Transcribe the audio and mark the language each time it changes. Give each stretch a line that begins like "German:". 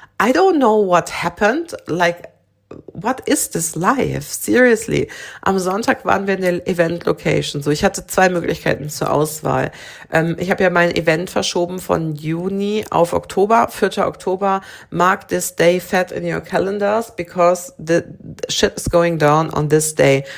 English: I don't know what happened, like, what is this life? Seriously.
German: Am Sonntag waren wir in der Event-Location. So, ich hatte zwei Möglichkeiten zur Auswahl. Ich habe ja mein Event verschoben von Juni auf Oktober, 4. Oktober.
English: Mark this day fat in your calendars, because the shit is going down on this day.